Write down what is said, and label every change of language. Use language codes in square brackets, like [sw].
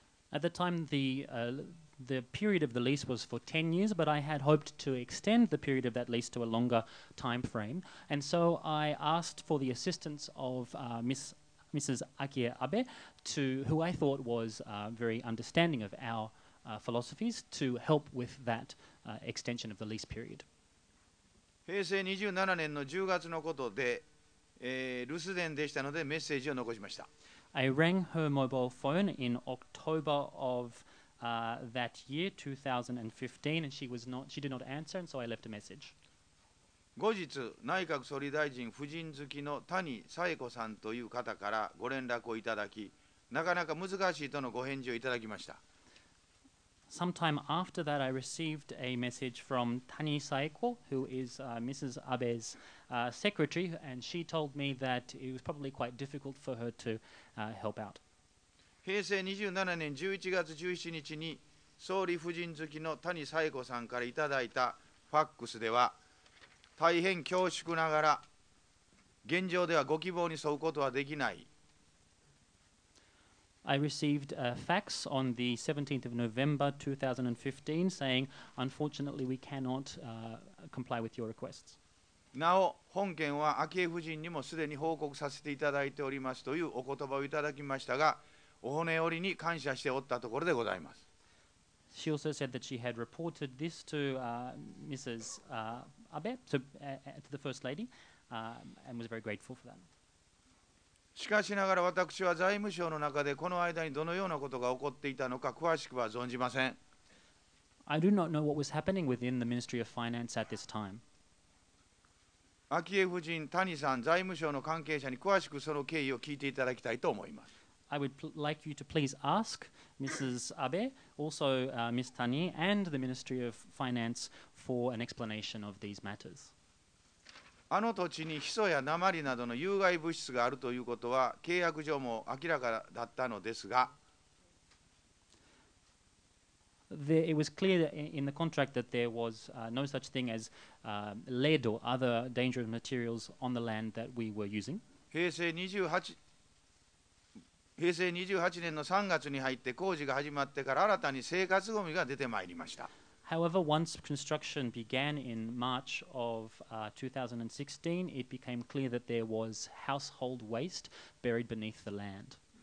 [en] At the time, the period of the lease was for 10 years, but I had hoped to extend the period of that lease to a longer time frame. And so I asked for the assistance of Mrs. Akie Abe, who I thought was very understanding of our philosophies, to help with that extension of the lease period. [ja] 平成27年の10月のことで、留守電でしたのでメッセージを残しました。 [en] I rang her mobile phone in October of that year, 2015, and she did not answer, and so I left a message. [ja] 後日、内閣総理大臣夫人付きの谷紗恵子さんという方からご連絡をいただき、なかなか難しいとのご返事をいただきました。 [en] Sometime after that, I received a message from Tani Saeko, who is Mrs. Abe's secretary, and she told me that it was probably quite difficult for her to help out. [ja] 平成27年11月17日に総理夫人付きの谷紗英子さんからいただいたファックスでは、大変恐縮ながら現状ではご希望に沿うことはできない。 [en] I received a fax on the 17th of November 2015 saying, unfortunately, we cannot comply with your requests. [ja] なお、本件は昭恵夫人にもすでに報告させていただいておりますというお言葉をいただきましたが、お骨折りに感謝しておったところでございます。 [en] She also said that she had reported this to Mrs. Abe, to the First Lady, and was very grateful for that. [ja] しかしながら私は財務省の中でこの間にどのようなことが起こっていたのか詳しくは存じません。 [en] I do not know what was happening within the Ministry of Finance at this time. [ja] 昭恵夫人、谷さん、財務省の関係者に詳しくその経緯を聞いていただきたいと思います。 [en] I would like you to please ask Mrs. Abe, also Ms. Tani, and the Ministry of Finance for an explanation of these matters. [ja] あの土地にヒ素や鉛などの有害物質があるということは契約上も明らかだったのですが、 [en] It was clear in the contract that there was no such thing as lead or other dangerous materials on the land that we were using. [ja] 平成28年の3月に入って工事が始まってから新たに生活ごみが出てまいりました。 [en] However, once construction began in March of 2016, it became clear that there was household waste buried beneath the land.